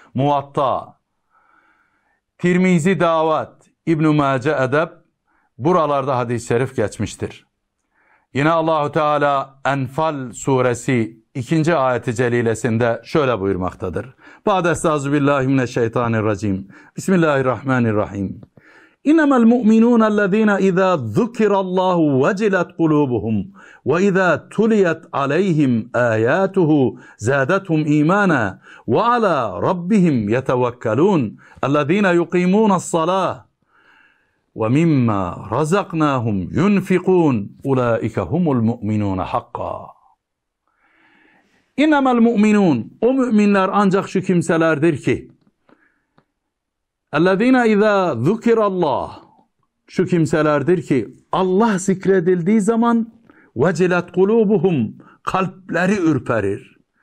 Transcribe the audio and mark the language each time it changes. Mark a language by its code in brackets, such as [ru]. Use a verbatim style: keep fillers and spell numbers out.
[tr] Muvatta, Tirmizi Davat, İbn-i Mace Edeb, buralarda hadis-i şerif geçmiştir. Yine Allahu Teala Enfal suresi ikinci ayeti celilesinde şöyle buyurmaktadır. [ar] Ba'destazü billahi mineşşeytanirracim. Bismillahirrahmanirrahim. إنما المؤمنون الذين إذا ذكر الله وجلت قلوبهم وإذا تليت عليهم آياته زادتهم إيمانا وعلى ربهم يتوكلون الذين يقيمون الصلاة ومما رزقناهم ينفقون أولئك هم المؤمنون حقا. إنما المؤمنون [tr] o müminler ancak şu kimselerdir ki [ar] اَلَّذ۪ينَ اِذَا ذُكِرَ اللّٰهِ [tr] şu kimselerdir ki Allah zikredildiği zaman [ar] وَجِلَتْ قُلُوبُهُمْ [tr] kalpleri ürperir.